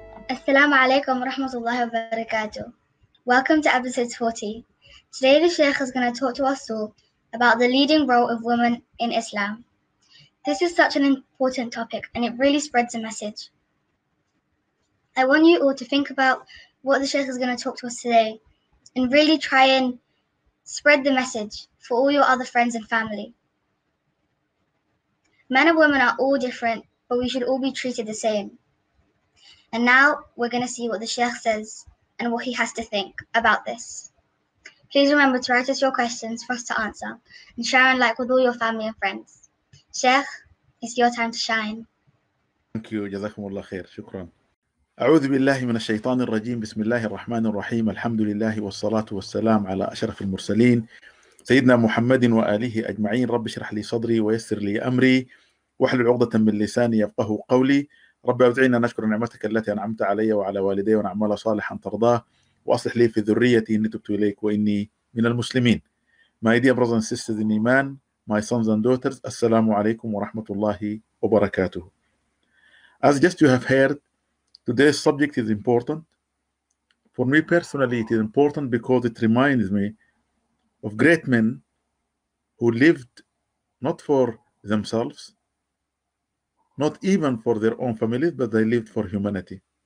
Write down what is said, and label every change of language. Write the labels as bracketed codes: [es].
[ar] السلام عليكم ورحمة الله وبركاته. [en] Welcome to episode 40. Today the Sheikh is going to talk to us all about the leading role of women in Islam. This is such an important topic and it really spreads a message. I want you all to think about what the Sheikh is going to talk to us today and really try and spread the message for all your other friends and family. Men and women are all different, but we should all be treated the same. And now we're going to see what the Sheikh says and what he has to think about this. Please remember to write us your questions for us to answer and share and like with all your family and friends. Sheikh, it's your time to shine. Thank you. [ar] جزاكم الله خير. شكرا. أعوذ بالله من الشيطان الرجيم. بسم الله الرحمن الرحيم. الحمد لله والصلاة والسلام على أشرف المرسلين. سيدنا محمد وآله أجمعين. رب اشرح لي صدري ويسر لي أمري. واحلل عقدة من لساني يفقه قولي. رب أوزعنا نشكر نعمتك التي أنعمت علي وعلى والدي ونعمل صالحا ترضاه وأصلح لي في ذريتي إني تبت إليك وإني من المسلمين. [en] My dear brothers and sisters in Iman, my sons and daughters, [ar] السلام عليكم ورحمة الله وبركاته. [en] As just you have heard, today's subject is important. For me personally, it is important because it reminds me of great men who lived not for themselves, not even for their own families, but they lived for humanity.